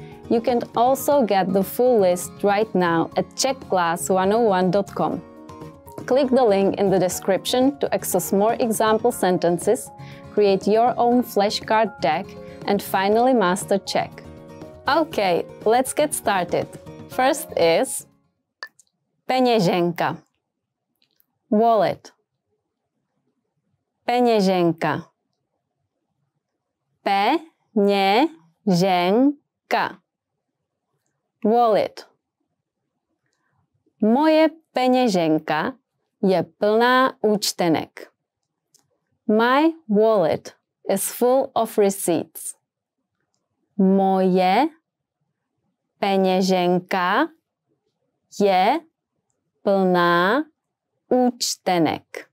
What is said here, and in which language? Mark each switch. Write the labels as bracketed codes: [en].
[en] You can also get the full list right now at czechclass101.com. Click the link in the description to access more example sentences, create your own flashcard deck, and finally master Czech. Okay, let's get started. First is peněženka, wallet, peněženka, peněženka, wallet. [cs] Moje peněženka je plná účtenek. [en] My wallet is full of receipts. [cs] Moje peněženka je plná účtenek.